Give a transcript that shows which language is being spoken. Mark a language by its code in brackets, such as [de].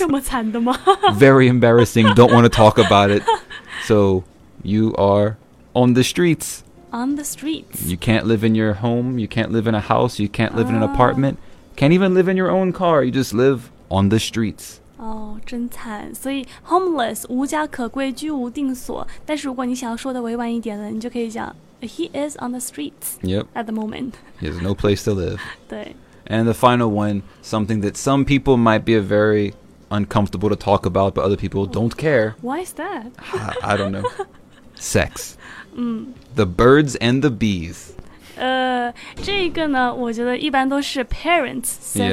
[zh] 这么惨的吗? [en] Very embarrassing. Don't want to talk about it. So you are on the streets. On the streets. You can't live in your home. You can't live in a house. You can't live in an apartment. Can't even live in your own car. You just live on the streets. [zh] 真惨所以 homeless 无家可归居无定所但是如果你想要说的委婉一点了你就可以讲 [en] he is on the streets、 yep. at the moment he has no place to live 对 and the final one something that some people might be a very uncomfortable to talk about but other people don't care why is that? I don't know sex the birds and the bees [zh] 这个呢我觉得一般都是 [en] parents say、